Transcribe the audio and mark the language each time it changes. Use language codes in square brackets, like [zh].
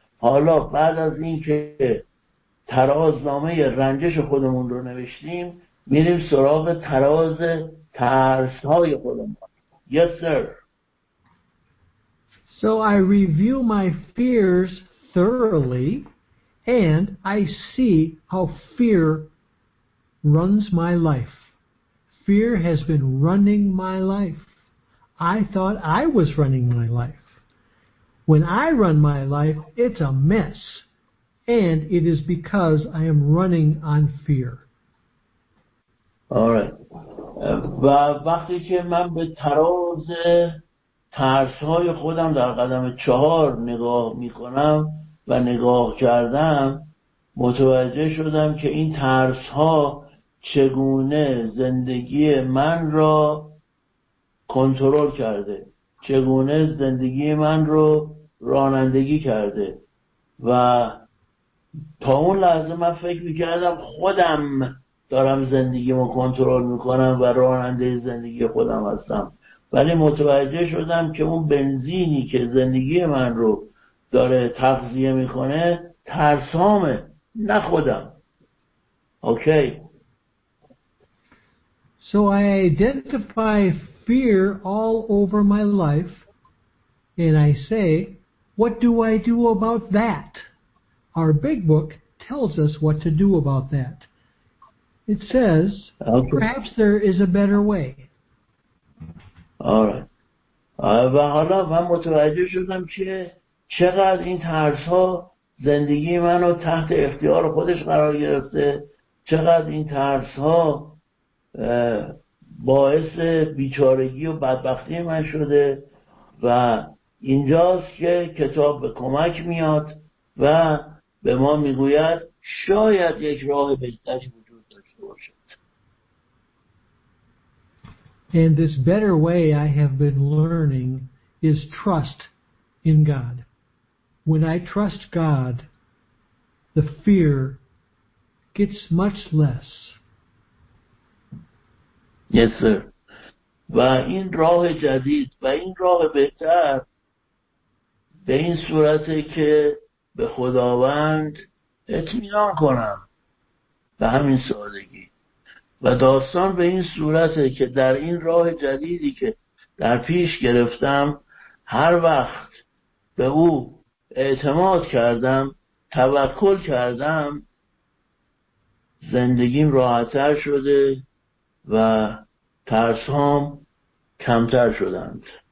[fa] حالا بعد از این که ترازنامه رنجش خودمون رو نوشتیم، میریم سراغ تراز ترس های خودمون. [en] Yes sir. So I review my fears thoroughly and I see how fear runs my life. Fear has been running my life. I thought I was running my life. When I run my life, it's a mess. And it is because I am running on fear. All right. [fa] و وقتی که من به تراز ترس‌های خودم در قدم 4 نگاه می‌کنم و نگاه کردم، متوجه شدم که این ترس‌ها چگونه زندگی من را کنترل کرده، چگونه زندگی من رو رانندگی کرده. و تا اون لحظه من فکر میکردم خودم دارم زندگیمو کنترل میکنم و راننده زندگی خودم هستم، ولی متوجه شدم که اون بنزینی که زندگی من رو داره تغذیه میکنه ترسامه، نه خودم. [en] Okay. So I identify fear all over my life and I say, what do I do about that? Our big book tells us what to do about that. It says, okay, perhaps there is a better way. [fa] و حالا من متوجه شدم که چقدر این ترس ها زندگی منو تحت اختیار خودش قرار گرفته، چقدر این ترس ها باعث بیچارگی و بدبختی من شده. و اینجاست که کتاب به کمک میاد و به ما میگوید شاید یک راه بهتری وجود داشته باشد. [en] And this better way I have been learning is trust in God. When I trust God, the fear gets much less. Yes, sir. [fa] و این راه جدید و این راه بهتر به این صورته که به خداوند اطمینان کنم به همین سادگی. و داستان به این صورته که در این راه جدیدی که در پیش گرفتم هر وقت به او اعتماد کردم، توکل کردم، زندگیم راحت‌تر شده و ترسام کمتر شدند.